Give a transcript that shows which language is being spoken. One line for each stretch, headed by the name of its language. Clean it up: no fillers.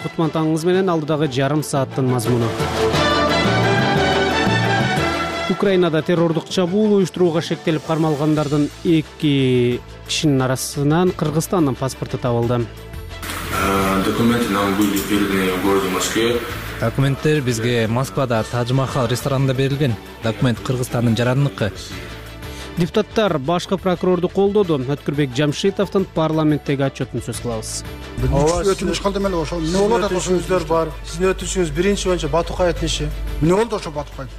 Kyrgyz: Кутман таңыңыз менен алдыдагы жарым сааттын мазмуну. Украинада террордук чабуул уюштурууга шектелип кармалгандардын 2 кишинин арасынан Кыргызстандын паспорту табылды.
Russian: Документы нам были переданы в городе Москве.
Kyrgyz: Документтер бизге Москвада Тадж Махал ресторанында берилген. Документ Кыргызстандын жараныныкы. Депутаттар башкы прокурорду колдоду. Өткүрбек Жамшитовтун парламенттеги отчетун сөз кылабыз. Сиздин өтүнүчүңүз биринчи боюнча Батукаевдин иши. Эмне болду ошо Батукаевдин